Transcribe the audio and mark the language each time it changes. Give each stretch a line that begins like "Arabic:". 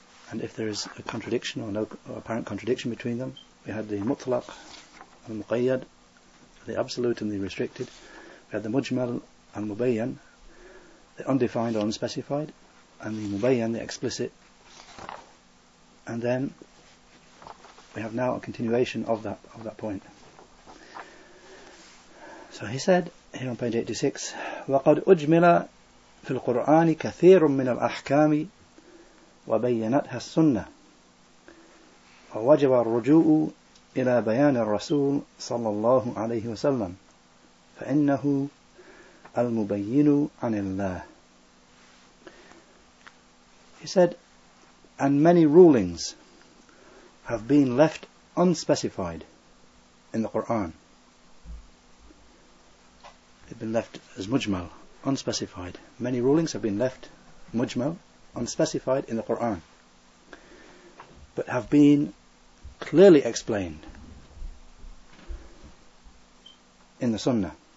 English: And if there is a contradiction or no apparent contradiction between them, we had the mutlaq, the muqayyad, the absolute and the restricted. We had the mujmal and mubayyan, the undefined or unspecified, and the mubayyan, the explicit. And then we have now a continuation of that point. So he said here on page 86,
Arabic: وَقَدْ أُجْمِلَ فِي الْقُرْآنِ كَثِيرٌ مِّنَ الْأَحْكَامِ وَبَيَّنَتْهَا السُّنَّةِ وَوَجَبَ الرُّجُوءُ إِلَى بَيَانِ الرَّسُولِ صلى الله عليه وسلم فَإِنَّهُ الْمُبَيِّنُ عَنِ اللَّهِ.
English: He said, and many rulings have been left unspecified in the Qur'an. They've been left as mujmal, unspecified. Many rulings have been left mujmal, unspecified in the Qur'an, but have been clearly explained in the Sunnah.